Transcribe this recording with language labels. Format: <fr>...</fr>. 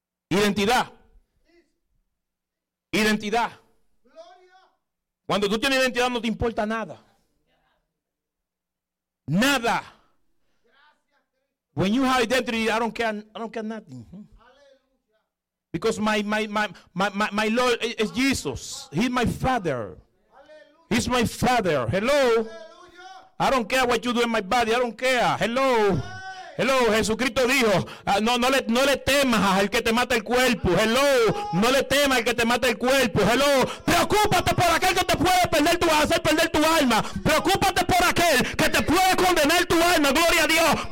<es>Identidad. Identidad. Cuando tú tienes identidad, no te importa nada. Nada.</es> <en>When you have identity, I don't care nothing. Because my Lord is Jesus. He's my Father. He's my Father. Hello. I don't care what you do in my body. I don't care. Hello.</en> <es>Hello, Jesucristo dijo, no le temas al que te mata el cuerpo. Hello, no le temas al que te mata el cuerpo. Hello, preocúpate por aquel que te puede hacer perder tu alma. Preocúpate por aquel que te puede condenar tu alma. Gloria a Dios.</es>